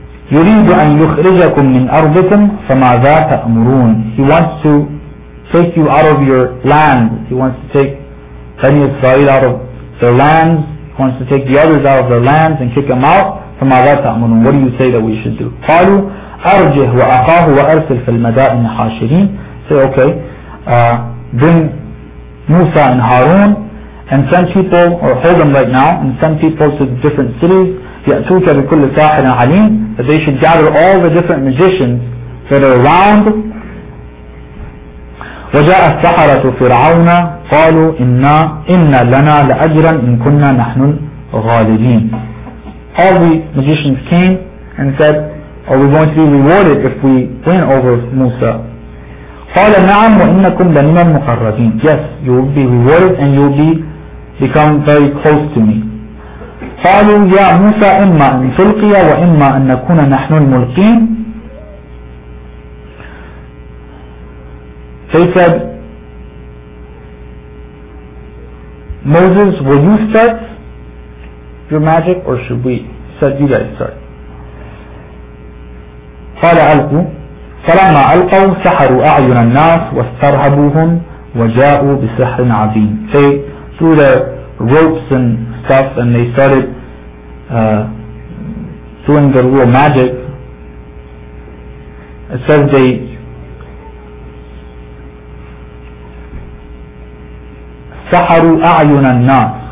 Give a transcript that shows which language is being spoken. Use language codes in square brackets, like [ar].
[ar] يريد أن يخرجكم من أرضكم فماذا تأمرون. [en] He wants to take you out of your land. He wants to take Bani Israel out of their lands. He wants to take the others out of their lands and kick them out. [ar] فماذا تأمرون. [en] What do you say that we should do? [ar] قالوا أرجه وأخاه وأرسل في المدائن حاشرين. [en] Say, okay, bring Musa and Harun and send people, or hold them right now, and send people to different cities. [ar] يأتوك بكل ساحر عليم. [en] That they should gather all the different magicians that are around. [ar] وَجَاءَ السَّحَرَةُ فِرْعَوْنَ قَالُوا إِنَّا لَنَا لَأَجْرًا إِن كُنَّا نَحْنُ الْغَالِبِينَ. [en] All the magicians came and said, are we going to be rewarded if we win over Musa? [ar] قَالَ نَعَمْ وَإِنَّكُمْ لَمِنَ الْمُقَرَّبِينَ. [en] Yes, you will be rewarded and you will become very close to me. [ar] قالوا يا موسى إما أن تلقي وإما أن نكون نحن الملقين. [en] They said, Moses, will you start your magic, or should we? He said, you guys start. [ar] قال ألقوا فلما ألقوا سحروا أعين الناس واسترهبوهم وجاءوا بسحر عظيم. [en] They threw the ropes and stuff and they started doing their little magic. It says they [ar] سحروا أعين الناس.